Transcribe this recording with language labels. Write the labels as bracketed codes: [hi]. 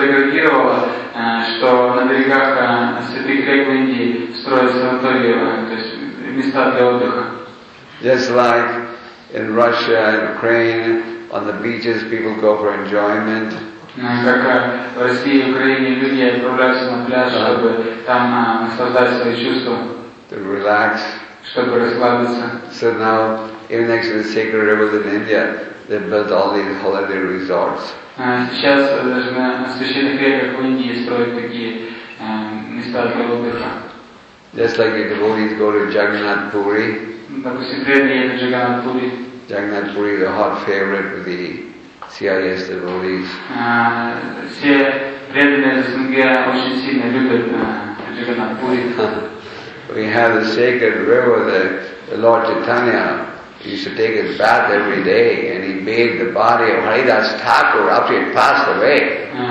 [ru] Что на берегах святых рек в Индии строят санатории, то есть места для отдыха. [en] Just like in Russia and Ukraine, on the beaches people go for enjoyment. [ru] Как в России и Украине люди отправляются на пляж, чтобы там наслаждать свои чувства. [en] To relax. [ru] Чтобы расслабиться. [en] So now, even next to the sacred rivers in India, they built all these holiday resorts. [ru] Сейчас даже на священных реках в Индии строят такие места для отдыха. [en] Just like the devotees go to Jagannath Puri. [ru] Допустим, преданные едут в Джаганнат Пури. [en] Jagannath Puri is a hot favorite with the CIS devotees. [ru] Все преданные из СНГ очень сильно любят Джаганнат Пури. [en] We have the sacred river that the Lord Chaitanya used to take his bath every day, and he bathed the body of Haridas Thakur after he had passed away.